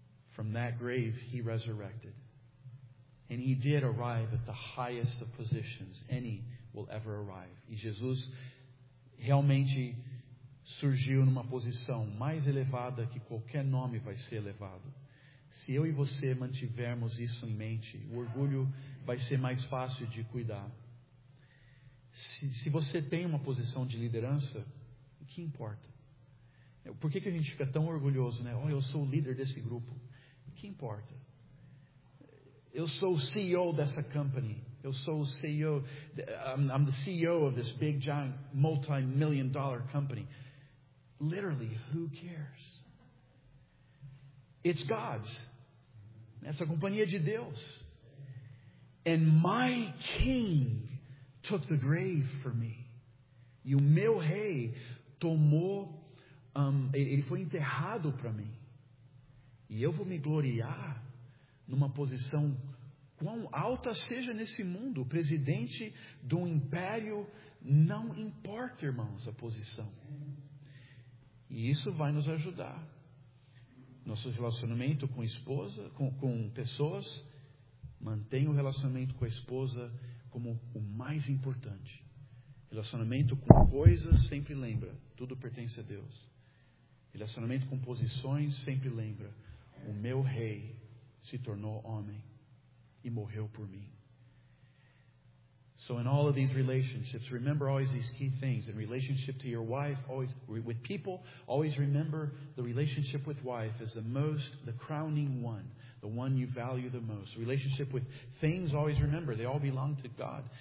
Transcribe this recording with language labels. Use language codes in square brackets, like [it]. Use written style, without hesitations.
[en] From that grave he resurrected. And he did arrive at the highest of positions any will ever arrive. [pt] E Jesus realmente surgiu numa posição mais elevada que qualquer nome vai ser elevado. Se eu e você mantivermos isso em mente, o orgulho vai ser mais fácil de cuidar. Se você tem uma posição de liderança, o que importa? Por que a gente fica tão orgulhoso, né? Oh, eu sou o líder desse grupo. O que importa? Eu sou o CEO dessa company. Eu sou o CEO. [en] I'm the CEO of this big, giant, multi-million dollar company. Literally, who cares? It's God's. [pt] Essa companhia de Deus. [en] And my king took the grave for me. [pt] E o meu rei tomou, ele foi enterrado para mim. E eu vou me gloriar numa posição quão alta seja nesse mundo. Presidente de um império, não importa, irmãos, a posição. E isso vai nos ajudar. Nosso relacionamento com esposa, com pessoas, mantém o relacionamento com a esposa como o mais importante. Relacionamento com coisas, sempre lembra, tudo pertence a Deus. Relacionamento com posições, sempre lembra, o meu rei se tornou homem e morreu por mim. [en] So in all of these relationships, remember always these key things. In relationship to your wife, always with people, always remember the relationship with wife as the most, the crowning one, the one you value the most. Relationship with things, always remember, they all belong to God.